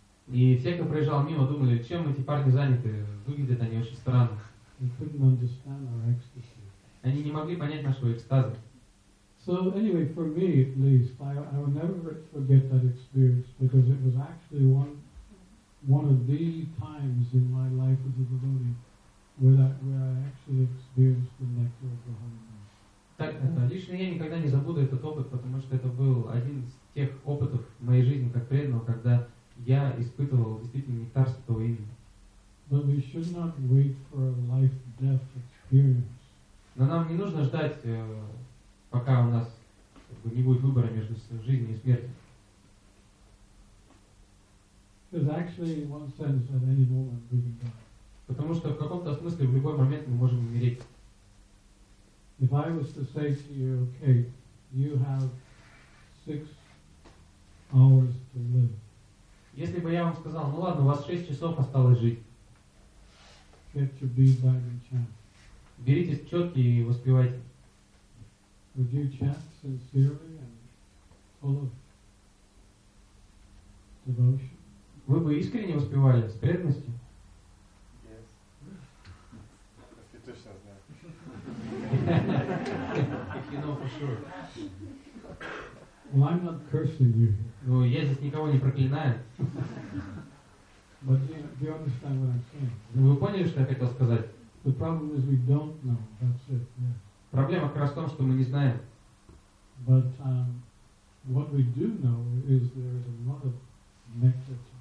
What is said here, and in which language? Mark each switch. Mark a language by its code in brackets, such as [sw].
[ru] И все, кто проезжал мимо, думали, чем эти парни заняты? Выглядят они очень странно. [en] They couldn't understand our ecstasy. [ru] Они не могли понять нашего экстаза. [en] So anyway, for me at least, I will never forget that experience because it was actually one of the times in my life as a devotee where I actually experienced the nectar of the holy name. [ru] Так, лично я никогда не забуду этот опыт, потому что это был один из тех опытов в моей жизни как преданного, когда я испытывал действительно нектар святого имени. [en] But we should not wait for a life-death experience. [ru] Но нам не нужно ждать, пока у нас не будет выбора между жизнью и смертью. [en] Because actually, in one sense, at any moment we can die. [ru] Потому что в каком-то смысле в любой момент мы можем умереть. [en] If I was to say to you, okay, you have 6 hours to live. [ru] Если бы я вам сказал, ну ладно, у вас 6 часов осталось жить. [en] Get your bead bag and chant. [ru] Берите четки и воспевайте. [en] Would you chant sincerely and full of devotion? [ru] Вы бы искренне воспевали, с преданностью? [en] Yes. Yes. [ru] Я точно знаю. [en] If you know for sure. Well, I'm not cursing you. [ru] Ну, я здесь никого не проклинаю. [en] But do you understand what I'm saying? [ru] Ну, вы поняли, что я хотел сказать? [en] The problem is we don't know. That's it. Yeah. [ru] Проблема как раз в том, что мы не знаем. [en] But what we do know is there is a lot of nectar.